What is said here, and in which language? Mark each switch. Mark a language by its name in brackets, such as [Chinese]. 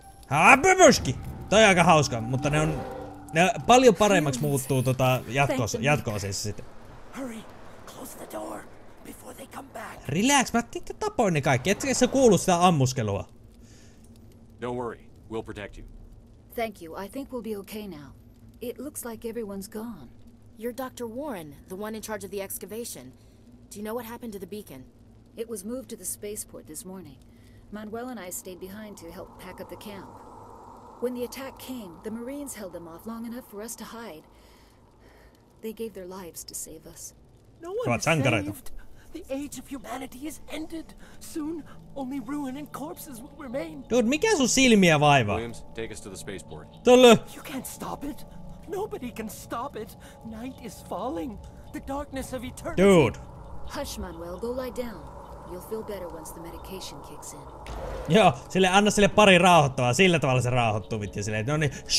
[Finnish] Habibuski! Toi on aika hauska, mutta ne on... Ne paljon paremmaksi muuttuu tota jatko-osissa sitten. [English] Hurry, close the door. Relax, [Finnish] mä tiedän, tapoin ne kaikki. Etkä sä kuulu sitä ammuskelua. [English] Don't worry, we'll protect you. Thank you, I think we'll be okay now. It looks like everyone's gone. You're Dr. Warren, the one in charge of the excavation. Do you know what happened to the beacon? It was moved to the spaceport this morning. Manuel and I stayed behind to help pack up the camp. When the attack came, the Marines held them off long enough for us to hide. They gave their lives to save us. No one was saved. The age of humanity is ended. Soon, only ruin and corpses will remain. [Finnish] Dude, mikä sun silmiä vaivaa? [English] Williams, take us to the spaceport. [Finnish] Tule. [English] You can't stop it. Nobody can stop it. Night is falling. The darkness of eternity. Dude. Hush, Manuel. Go lie down. You'll feel better once the medication kicks in. [Finnish] Joo, sille anna sille pari rauhoittavaa. Sillä tavalla se rauhoittuu vittu sille. No niin.